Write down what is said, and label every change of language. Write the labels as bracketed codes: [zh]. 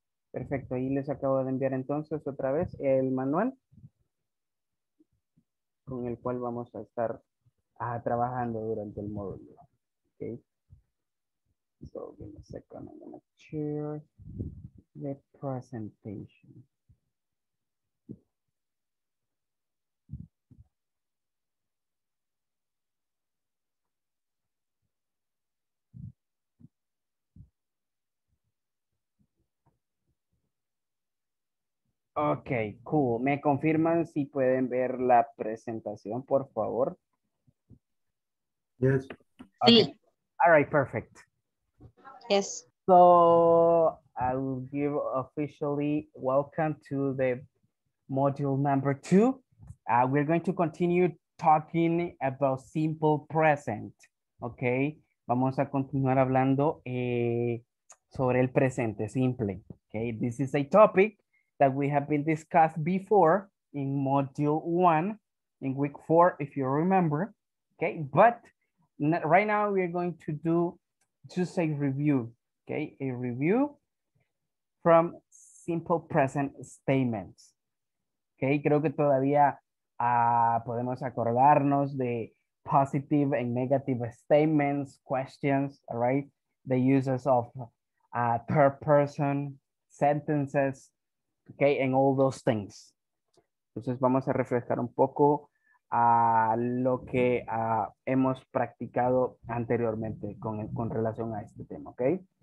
[es] Perfecto, ahí les acabo de enviar entonces otra vez el manual con el cual vamos a estar trabajando durante el módulo. [en] Okay. So, give me a second, I'm gonna share the presentation. Ok, cool. [es] ¿Me confirman si pueden ver la presentación, por favor? [en] Yes. [es] Okay. Sí. [en] All right, perfect. Yes. So, I will give officially welcome to the module number 2. We're going to continue talking about simple present. [es] Ok, vamos a continuar hablando sobre el presente simple. [en] Ok, this is a topic that we have been discussed before in module 1, in week 4, if you remember, okay? But right now we are going to do just a review, okay? A review from simple present statements, okay? [es] Creo que todavía podemos acordarnos de [en] positive and negative statements, questions, all right? The uses of third person sentences, okay, and all those things. [es] Entonces vamos a refrescar un poco a lo que hemos practicado anteriormente con relación a este tema, okay?